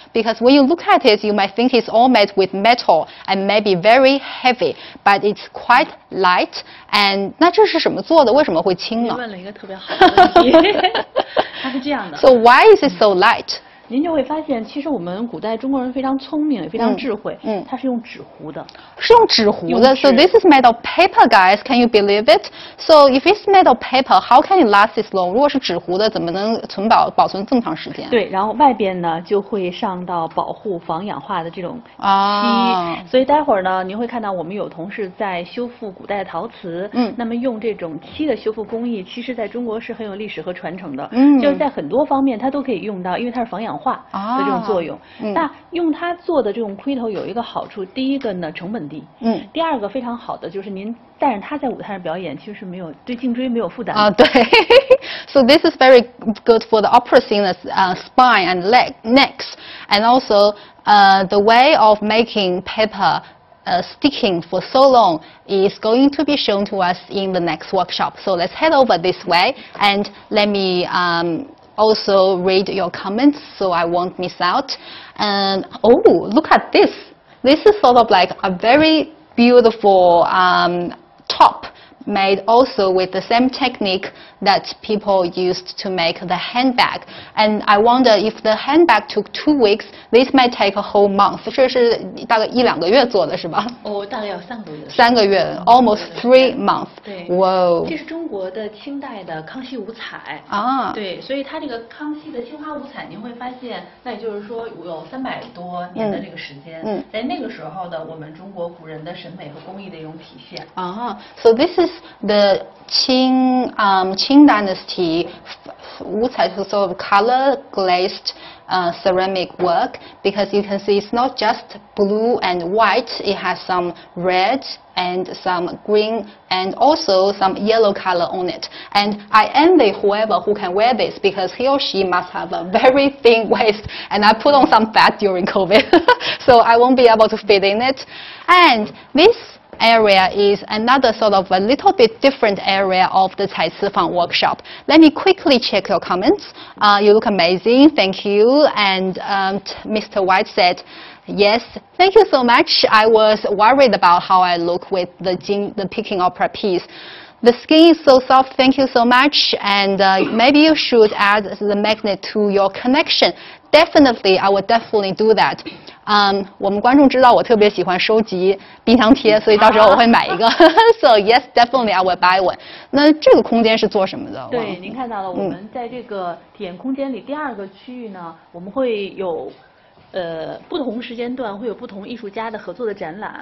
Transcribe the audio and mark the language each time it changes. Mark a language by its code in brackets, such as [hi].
[en] Because when you look at it, you might think it's all made with metal and maybe very heavy, but it's quite light. [zh] And 那这是什么做的？为什么会轻呢？您问了一个特别好的问题。它是这样的。 [en] So why is it so light? [zh] 您就会发现，其实我们古代中国人非常聪明，也非常智慧。它是用纸糊的。是用纸糊的。 [en] So this is made of paper, guys. Can you believe it? So if it's made of paper, how can it last this long? [zh] 如果是纸糊的，怎么能保存这么长时间？对，然后外边呢就会上到保护防氧化的这种漆。啊。所以待会儿呢，您会看到我们有同事在修复古代的陶瓷。那么用这种漆的修复工艺，其实在中国是很有历史和传承的。就是在很多方面它都可以用到，因为它是防氧化的这种作用。那用它做的这种盔头有一个好处，第一个呢成本低。第二个非常好的就是您带着它在舞台上表演，其实是没有对颈椎没有负担。啊，对。 [en] So this is very good for the opera singers, spine and necks, and also the way of making paper sticking for so long is going to be shown to us in the next workshop. So let's head over this way and let me also read your comments so I won't miss out. And oh, look at this. This is sort of like a very beautiful top made also with the same technique that people used to make the handbag. And I wonder if the handbag took 2 weeks, this might take a whole month. [zh] 这是大概一两个月做的是吧？哦，大概要三个月 [en] almost 3 months. [zh] 对，哇，这是中国的清代的康熙五彩啊。对，所以它这个康熙的青花五彩，您会发现，那也就是说有300多年的这个时间。在那个时候的我们中国古人的审美和工艺的一种体现。 [en] 啊 ，So this is the 清Qing Dynasty, Wu Cai is a sort of color glazed ceramic work because you can see it's not just blue and white, it has some red and some green and also some yellow color on it. And I envy whoever who can wear this because he or she must have a very thin waist and I put on some fat during COVID, so I won't be able to fit in it. And this area is another sort of a little bit different area of the 彩瓷坊 workshop. Let me quickly check your comments. You look amazing. Thank you. And Mr. White said, yes, thank you so much. I was worried about how I look with the Peking opera piece. The skin is so soft. Thank you so much. And maybe you should add the magnet to your connection. Definitely, I would definitely do that. [zh] 我们观众知道我特别喜欢收集冰箱贴，所以到时候我会买一个。 [en] So yes, definitely, I would buy one. [zh] 那这个空间是做什么的？对，您看到了，我们在这个体验空间里第二个区域呢，我们会有不同时间段会有不同艺术家的合作的展览。